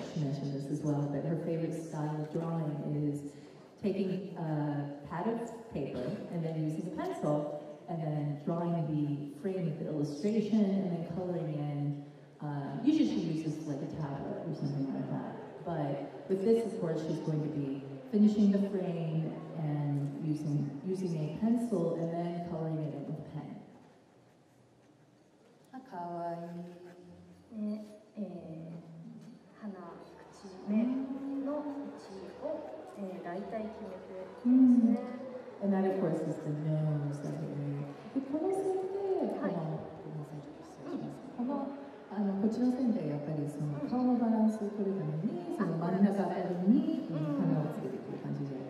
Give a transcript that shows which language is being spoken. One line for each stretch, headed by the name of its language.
English: She mentioned this as well, that her favorite style of drawing is taking a pad of paper and then using a pencil and then drawing the frame of the illustration and then coloring in. Usually she uses like a tablet or something like that. But with this, of course, she's going to be finishing the frame and using a pencil and then coloring it in with a pen.
Japanese: かわいい、ね鼻、口、目の位置を、大体決めてますね。
English: And that of course is the nose that we need.
Japanese: で、この線で、こちらの線でやっぱりその顔のバランスを取るためにその真ん中あたりに鼻をつけていく感じで、